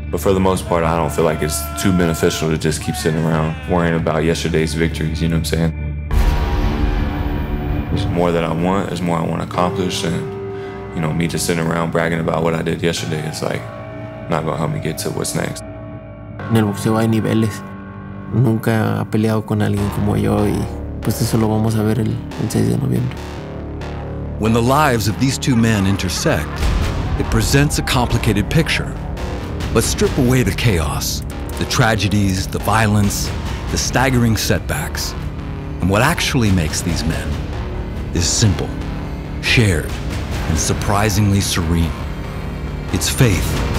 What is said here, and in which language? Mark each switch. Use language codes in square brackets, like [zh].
[en] But for the most part, I don't feel like it's too beneficial to just keep sitting around worrying about yesterday's victories, you know what I'm saying? There's more that I want, there's more I want to accomplish, and, you know, me just sitting around bragging about what I did yesterday, it's like, not going to help me get to what's next. [es] En el boxeo hay niveles. Nunca ha peleado con alguien como yo, y pues eso lo vamos a ver el 6 de noviembre. [en] When the lives of these two men intersect, it presents a complicated picture. But strip away the chaos, the tragedies, the violence, the staggering setbacks. And what actually makes these men is simple, shared, and surprisingly serene. It's faith.